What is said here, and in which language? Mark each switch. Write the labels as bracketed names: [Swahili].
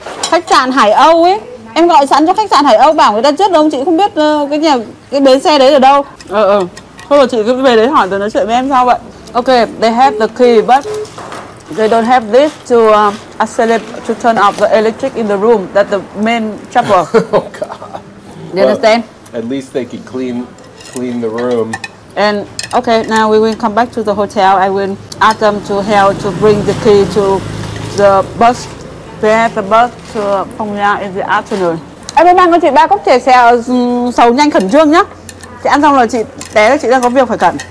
[Vietnamese] Khách sạn Hải Âu ấy, em gọi sẵn cho khách sạn Hải Âu bảo người ta chết đâu, chị không biết cái nhà cái bến xe đấy ở đâu. Ờ ờ, thôi chị cứ về đấy hỏi rồi nói chuyện với em sau vậy. [English] Ok, they have the key but they don't have this to accelerate to turn off the electric in the room. That's the main trouble. Oh God. You understand? Well, at least they can clean the room. And okay, now we will come back to the hotel. I will ask them to help to bring the key to the bus. They have the bus to Phong Nha in the afternoon. [Vietnamese] Em mang cho chị ba cốc chè xèo sầu nhanh khẩn trương nhá. Chị ăn xong rồi chị té là chị đang có việc phải cần.